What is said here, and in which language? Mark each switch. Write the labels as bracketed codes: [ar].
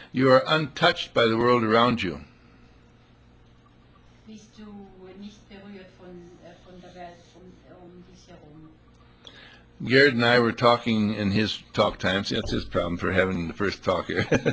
[en] you are untouched by the world around you. [de] Bist du nicht berührt von der Welt um dich herum. [en] Garrett and I were talking in his talk time. See, that's his problem for having the first talk here.